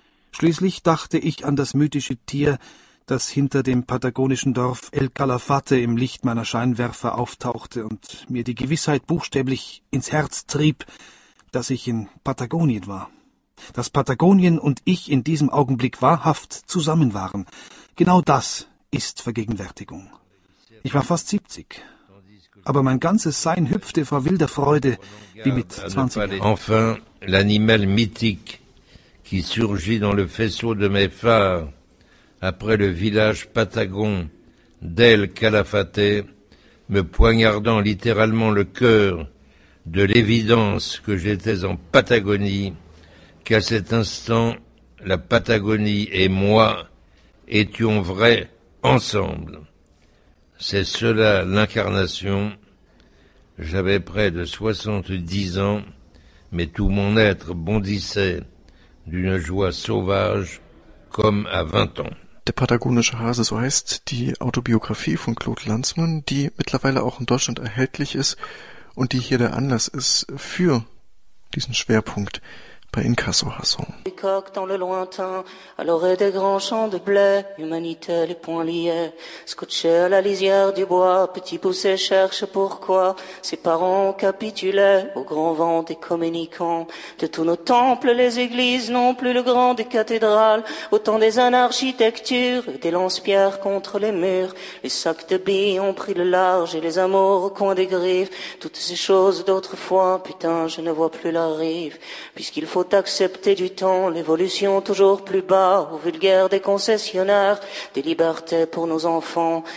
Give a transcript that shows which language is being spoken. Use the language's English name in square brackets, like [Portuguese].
[German] Schließlich dachte ich an das mythische Tier, das hinter dem patagonischen Dorf El Calafate im Licht meiner Scheinwerfer auftauchte und mir die Gewissheit buchstäblich ins Herz trieb, dass ich in Patagonien war. Dass Patagonien und ich in diesem Augenblick wahrhaft zusammen waren. Genau das ist Vergegenwärtigung. Ich war fast 70. Aber mein ganzes Sein hüpfte vor wilder Freude, wie mit 20 Jahren. [French] Enfin, l'animal mythique qui surgit dans le faisceau de mes phares après le village Patagon d'El Calafate, me poignardant littéralement le cœur de l'évidence que j'étais en Patagonie, qu'à cet instant, la Patagonie et moi étions vrais ensemble. C'est cela l'incarnation. J'avais près de 70 ans, mais tout mon être bondissait d'une joie sauvage comme à 20 ans. [German] Der patagonische Hase, so heißt die Autobiographie von Claude Lanzmann, die mittlerweile auch in Deutschland erhältlich ist und die hier der Anlass ist für diesen Schwerpunkt bei Inkasso Hasso. [French] Les coqs dans le lointain, à l'orée des grands champs de blé, humanité, les poings liés, scotchés à la lisière du bois, petit poussé cherche pourquoi, ses parents capitulaient au grand vent des communicants, de tous nos temples, les églises, non plus le grand des cathédrales, autant des anarchitectures, des lance-pierres contre les murs, les sacs de billes ont pris le large et les amours au coin des griffes, toutes ces choses d'autrefois, putain, je ne vois plus la rive, puisqu'il faut accepter du temps, l'évolution toujours plus bas, au vulgaire des concessionnaires, des libertés pour nos enfants.